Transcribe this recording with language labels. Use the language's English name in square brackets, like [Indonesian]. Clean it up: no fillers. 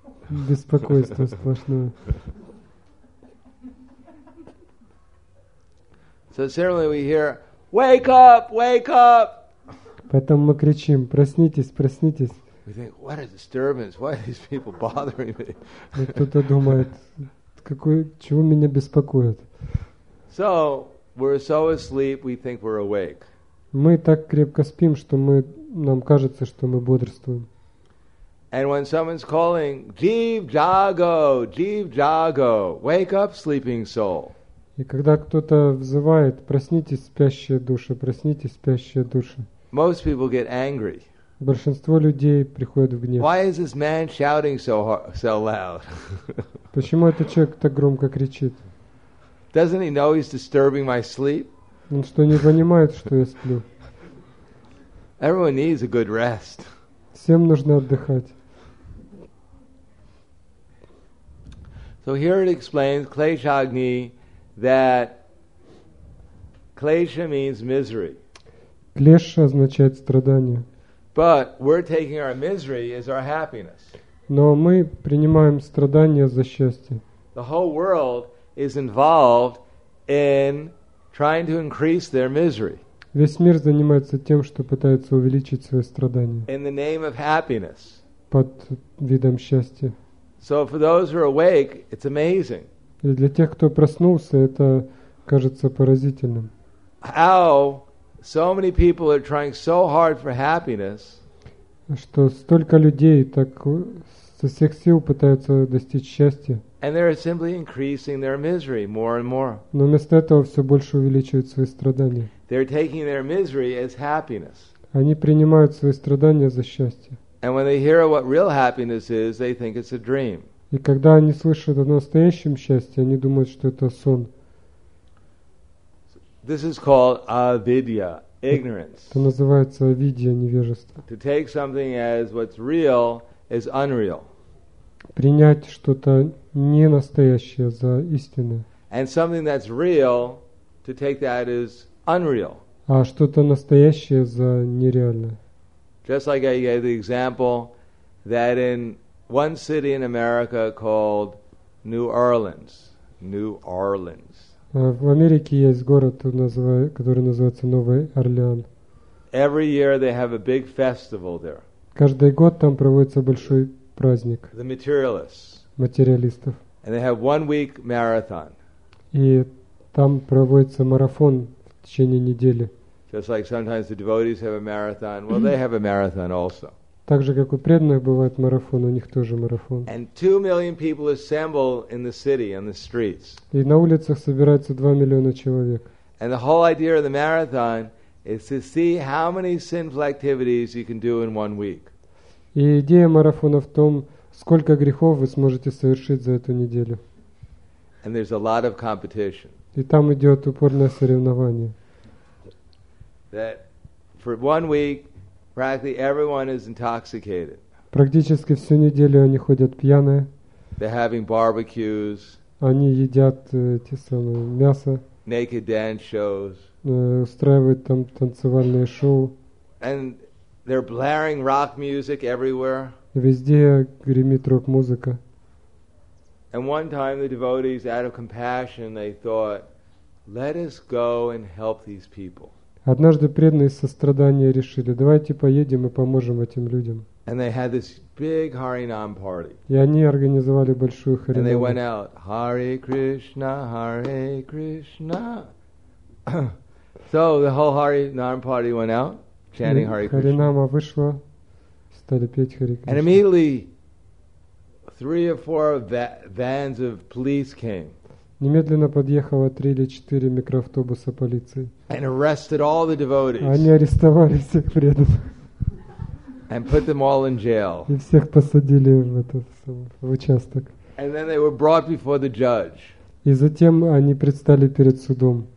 [Russian] Беспокойство сплошное. [English] So suddenly we hear, wake up, wake up. [Russian] Потом мы кричим, проснитесь, проснитесь. [English] We think, what a disturbance, why are these people bothering me? [Russian] Кто-то думает, какой, чего меня беспокоят. [English] So, we're so asleep, we think we're awake. [Russian] Мы так крепко спим, что мы, нам кажется, что мы бодрствуем. [English] And when someone's calling, Jeev Jago, wake up, sleeping soul. [Russian] И когда кто-то взывает, проснитесь, спящая душа, проснитесь, спящая душа. [English] Most people get angry. [Russian] Большинство людей приходят в гнев. [English] Why is this man shouting so loud? [Russian] Почему этот человек так громко кричит? [English] Doesn't he know he's disturbing my sleep? [Russian] Он что, не понимает, что я сплю? [English] Everyone needs a good rest. [Russian] Всем нужно отдыхать. [English] So here it explains klesha agni that klesha means misery. [Russian] Клеша означает страдание. [English] But we're taking our misery as our happiness. [Russian] Но мы принимаем страдания за счастье. [English] The whole world is involved in trying to increase their misery. [Russian] Весь мир занимается тем, что пытается увеличить свои страдания. [English] In the name of happiness. [Russian] Под видом счастья. [English] So for those who are awake, it's amazing. [Russian] И для тех, кто проснулся, это кажется поразительным. [English] How so many people are trying so hard for happiness. [Russian] Что столько людей так со всех сил пытаются достичь счастья. [English] And they're simply increasing their misery more and more. [Russian] Но вместо этого все больше увеличивают свои страдания. [English] They're taking their misery as happiness. [Russian] Они принимают свои страдания за счастье. [English] And when they hear what real happiness is, they think it's a dream. [Russian] И когда они слышат о настоящем счастье, они думают, что это сон. [English] This is called avidya, ignorance. [Russian] Это называется авидья, невежество. [English] To take something as what's real is unreal. [Russian] Принять что-то не настоящее за истинное. [English] And something that's real, to take that as unreal. [Russian] А что-то настоящее за нереальное. [English] Just like I gave the example that in one city in America called New Orleans. New Orleans. [Russian] В Америке есть город, который называется Новый Орлеан. [English] Every year they have a big festival there. [Russian] Каждый год там проводится большой праздник. [English] The materialists. [Russian] Материалистов. [English] And they have 1 week marathon. [Russian] И там проводится марафон в течение недели. [English] Just like sometimes the devotees have a marathon, well, they have a marathon also. [Russian] Так же, как у преданных бывает марафон, у них тоже марафон. [English] And 2 million people assemble in the city, on the streets. [Russian] И на улицах собирается 2 миллиона человек. [English] And the whole idea of the marathon is to see how many sinful activities you can do in 1 week. [Russian] И идея марафона в том, сколько грехов вы сможете совершить за эту неделю. [English] And there's a lot of competition. [Russian] И там идет упорное соревнование. [English] That for 1 week, practically everyone is intoxicated. [Russian] Практически всю неделю они ходят пьяные. [English] They're having barbecues. [Russian] Они едят те самые мясо. [English] Naked dance shows. [Russian] Устраивают там танцевальные шоу. [English] And they're blaring rock music everywhere. [Russian] Везде гремит рок-музыка. [English] And one time the devotees, out of compassion, they thought, "Let us go and help these people." [Russian] Однажды преданные из сострадания решили, давайте поедем и поможем этим людям. [English] And they had this big Harinam party. [Russian] И они организовали большую харинаму. [English] And they went out, Hare Krishna, Hare Krishna. So the whole Harinam party went out, chanting Hare Krishna. [Russian] Харинама вышла, стали петь Hare Krishna. [English] And immediately, 3 or 4 vans of police came. [Russian] Немедленно подъехало 3 или 4 микроавтобуса полиции. [English] And arrested all the devotees. [Russian] Они арестовали всех преданных. [English] And put them all in jail. [Russian] И всех посадили в этот в участок. [English] And then they were brought before the judge. [Russian] И затем они предстали перед судом.